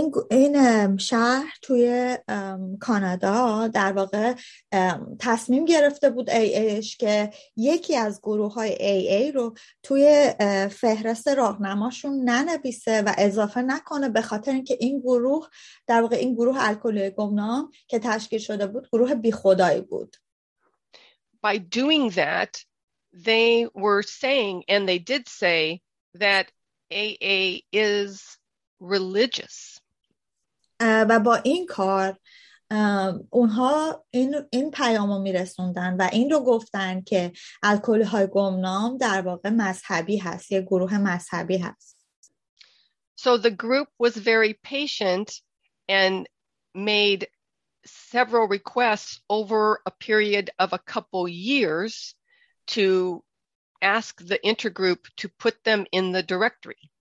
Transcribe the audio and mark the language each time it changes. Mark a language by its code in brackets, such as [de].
[fa] این شهر توی کانادا در واقع تصمیم گرفته بود AAش که یکی از گروه های AA رو توی فهرست راهنماشون ننویسه و اضافه نکنه به خاطر اینکه این گروه در واقع این گروه الکلی گمنام که تشکیل شده بود گروه بی خدایی بود. [en] By doing that, they were saying and they did say that AA is religious. [fa] و با این کار اونها این پیامو میرسوندن و این رو گفتن که الکل های گمنام در واقع مذهبی هست، یه گروه مذهبی هست. [en] So the group was very patient and made several requests over a period of a couple years to ask the intergroup to put them in the directory.